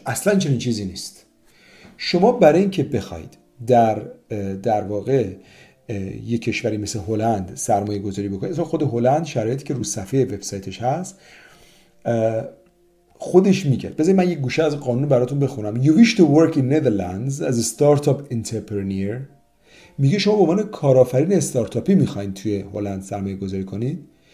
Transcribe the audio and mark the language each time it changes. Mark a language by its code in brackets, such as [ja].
[fa] اصلا چنین چیزی نیست. شما برای این که بخواید در واقع یه کشوری مثل هلند سرمایه گذاری بکنید، خود هلند شرایطی که رو صفحه وبسایتش هست خودش میگه، بذارید من یک گوشه از قانون براتون بخونم. [en] You wish to work in Netherlands as a startup entrepreneur. [fa] میگه شما به عنوان کارآفرین استارتاپی میخواین توی هلند سرمایه گذاری کنید،